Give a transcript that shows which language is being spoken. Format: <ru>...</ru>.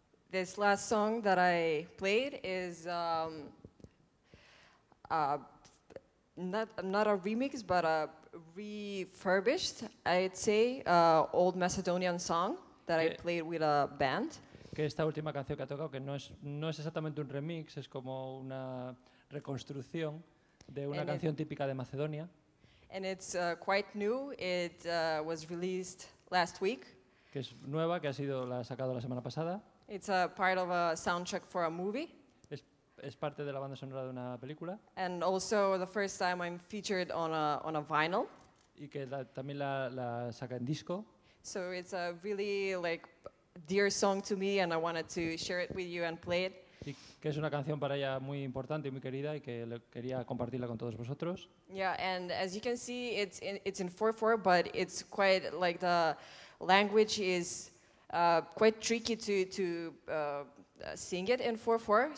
<en>This last song that I played is not a remix, but a refurbished, I'd say, old Macedonian song that I played with a band.</en> <es>Que esta última canción que ha tocado, que no es exactamente un remix, es como una reconstrucción de una canción típica de Macedonia.</es> <en>And it's quite new. It was released last week.</en> <es>Que es nueva, que la ha sacado la semana pasada.</es> <en>It's a part of a soundtrack for a movie.</en> <es>Es parte de la banda sonora de una película.</es> <en>And also the first time I'm featured on a vinyl.</en> <es>Y que también la saca en disco.</es> <en>So it's a really like dear song to me, and I wanted to share it with you and play it.</en> <es>Y que es una canción para ella muy importante y muy querida y que quería compartirla con todos vosotros.</es> <en>Yeah, and as you can see, it's in 4/4, but it's quite like the language is quite tricky to sing it in 4/4.</en>